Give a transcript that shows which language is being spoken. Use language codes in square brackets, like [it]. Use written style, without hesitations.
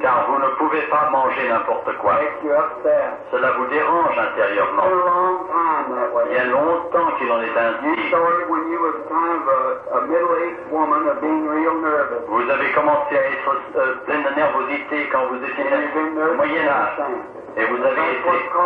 [fr] Car vous ne pouvez pas manger n'importe quoi. [en] Makes you upset. [fr] Cela vous dérange intérieurement. [en] For a long time that way. [fr] Il y a longtemps qu'il en est ainsi. [en] You started when you were kind of a middle-aged woman of being real nervous. [fr] Vous avez commencé à être pleine de nervosité quand vous étiez moyen âge. Et vous avez été.